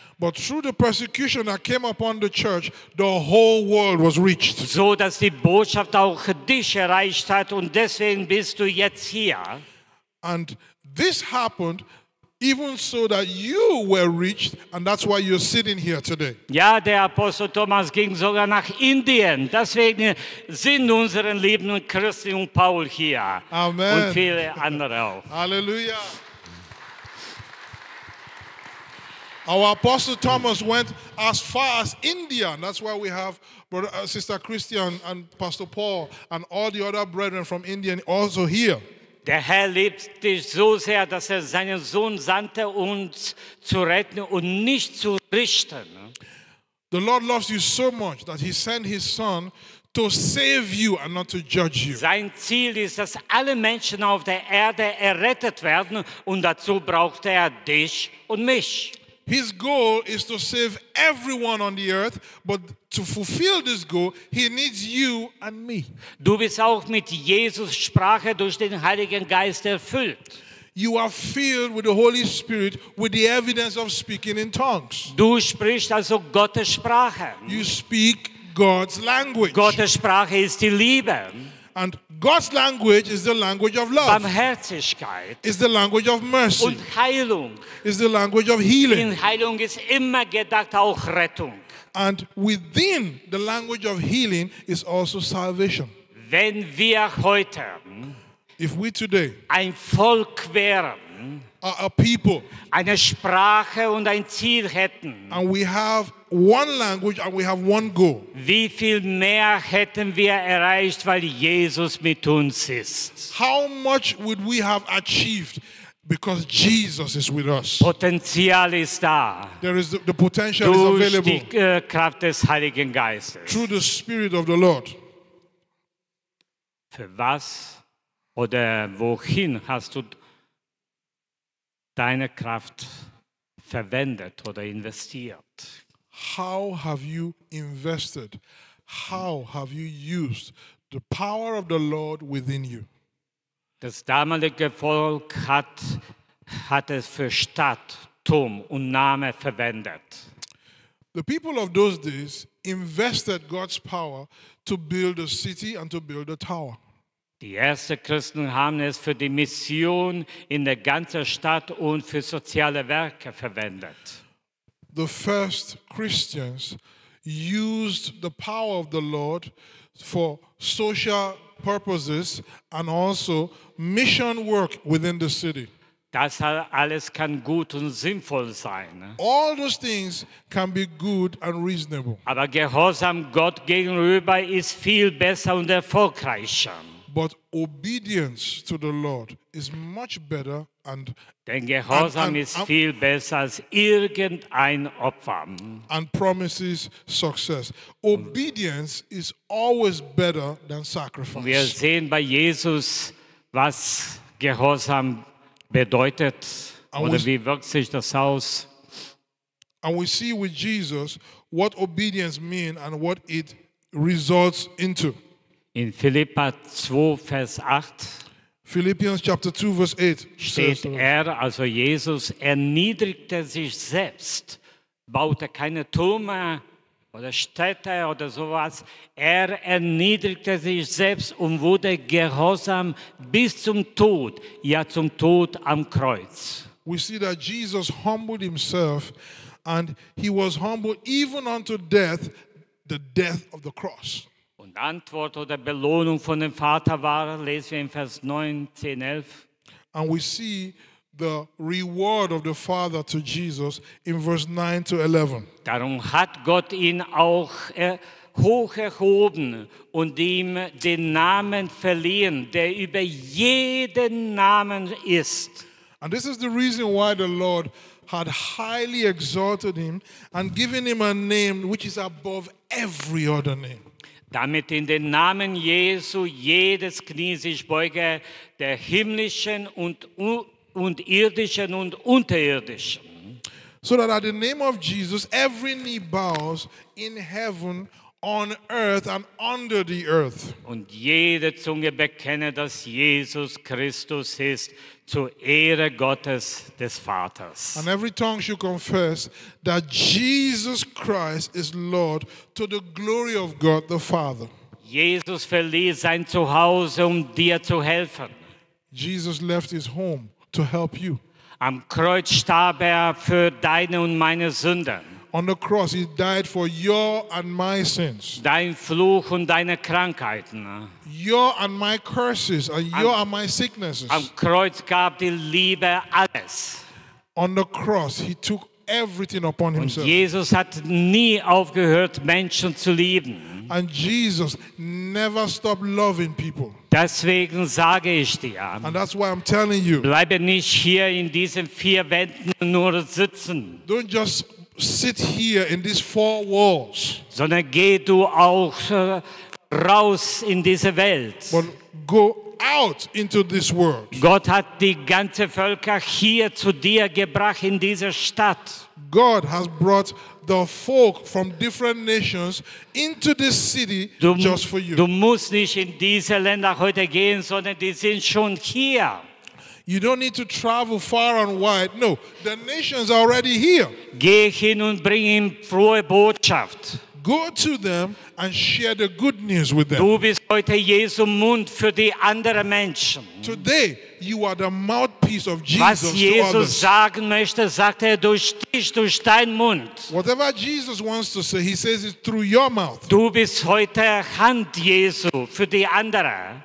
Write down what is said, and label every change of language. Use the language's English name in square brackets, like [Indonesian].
[English] But through the persecution that came upon the church, the whole world was reached. [German] So dass die Botschaft auch dich erreicht hat und deswegen bist du jetzt hier. [English] And this happened even so that you were reached, and that's why you're sitting here today. [German] Ja, der Apostel Thomas ging sogar nach Indien. Deswegen sind unsere lieben Christi und Paul hier. Amen. Und viele andere auch. Hallelujah. [English] Our Apostle Thomas went as far as India. That's why we have Brother, Sister Christian and Pastor Paul and all the other brethren from India also here. [German] Der Herr liebt dich so sehr, dass er seinen Sohn sandte, uns zu retten und nicht zu richten. [English] The Lord loves you so much that he sent his son to save you and not to judge you. [German] Sein Ziel ist, dass alle Menschen auf der Erde errettet werden und dazu braucht er dich und mich. [English] His goal is to save everyone on the earth, but to fulfill this goal, he needs you and me. [German] Du bist auch mit Jesus Sprache durch den Heiligen Geist erfüllt. [English] You are filled with the Holy Spirit with the evidence of speaking in tongues. [German] Du sprichst also Gottes Sprache. [English] You speak God's language. [German] Gottes Sprache ist die Liebe. [English] And God's language is the language of love. [German] Barmherzigkeit. [English] Is the language of mercy. [German] Und Heilung. [English] Is the language of healing. [German] In Heilung ist immer gedacht auch Rettung. [English] And within the language of healing is also salvation. [German] Wenn wir heute, [English] if we today, [German] ein Volk wären, [English] a people, [German] eine Sprache und ein Ziel hätten, [English] and we have one language and we have one goal, [German] wie viel mehr hätten wir erreicht, weil Jesus mit uns ist? [English] How much would we have achieved because Jesus is with us? [German] Potenzial ist da. [English] There is the potential [German] durch [English] is available. [German] Die Kraft des Heiligen Geistes. [English] Through the Spirit of the Lord. [German] Für was oder wohin hast du deine Kraft verwendet oder investiert? [English] How have you invested? How have you used the power of the Lord within you? [German] Das damalige Volk hat es für Stadt, Turm und Name verwendet. [English] The people of those days invested God's power to build a city and to build a tower. [German] Die ersten Christen haben es für die Mission in der ganzen Stadt und für soziale Werke verwendet. [English] The first Christians used the power of the Lord for social purposes and also mission work within the city. [German] Das alles kann gut und sinnvoll sein. [English] All those things can be good and reasonable. [German] Aber Gehorsam Gott gegenüber ist viel besser und erfolgreicher. [English] But obedience to the Lord is much better and [German] denn Gehorsam ist viel besser als irgendein Opfer. [English] And promises success. Obedience is always better than sacrifice. [German] Wir sehen bei Jesus, was Gehorsam bedeutet oder wie wirkt sich das aus. [English] And we see with Jesus what obedience means and what it results into. [German] In Philippa 2, Vers 8, [English] Philippians chapter 2, verse 8, [German] steht er, also Jesus, erniedrigte sich selbst, baute keine Türme oder Städte oder sowas. Er erniedrigte sich selbst und wurde gehorsam bis zum Tod, ja zum Tod am Kreuz. [English] We see that Jesus humbled himself and he was humbled even unto death, the death of the cross. [German] Antwort oder Belohnung von dem Vater war, lesen wir in Vers 19, 11. [English] And we see the reward of the Father to Jesus in verse 9 to 11. [German] Darum hat Gott ihn auch hoch erhoben und ihm den Namen verliehen, der über jeden Namen ist. [English] And this is the reason why the Lord had highly exalted him and given him a name which is above every other name. [German] Damit in den Namen Jesu jedes Knie sich beuge, der himmlischen und irdischen und unterirdischen. [English] So that at the name of Jesus every knee bows in heaven, on earth and under the earth. [German] Und jede Zunge bekenne, dass Jesus Christus ist, zur Ehre Gottes des Vaters. [English] And every tongue should confess that Jesus Christ is Lord, to the glory of God the Father. [German] Jesus verließ sein Zuhause, um dir zu helfen. [English] Jesus left his home to help you. [German] Am Kreuz starb er für deine und meine Sünden. [English] On the cross, he died for your and my sins. [German] Dein Fluch und deine Krankheiten. [English] Your and my curses, and your and my sicknesses. [German] Am Kreuz gab die Liebe alles. [English] On the cross, he took everything upon himself. [German] Jesus hat nie aufgehört, Menschen zu lieben. [English] And Jesus never stopped loving people. [German] Deswegen sage ich dir, [English] and that's why I'm telling you, [German] bleibe nicht hier in diesen vier Wänden nur sitzen. [English] Don't just sit here in these four walls. [German] Sondern geh du auch raus in diese Welt. [English] But go out into this world. [German] Gott hat die ganze Völker hier zu dir gebracht in diese Stadt. [English] God has brought the folk from different nations into this city just for you. [German] Du musst nicht in diese Länder heute gehen, sondern die sind schon hier. [English] You don't need to travel far and wide. No, the nations are already here. [German] Geh hin und bring ihm frohe Botschaft. [English] Go to them and share the good news with them. [German] Du bist heute Jesu Mund für die anderen Menschen. [English] Today, you are the mouthpiece of [German] Jesus. Was Jesus sagen möchte, sagt er durch dich, durch deinen Mund. [English] Whatever Jesus wants to say, he says it through your mouth. [German] Du bist heute Hand Jesu für die anderen.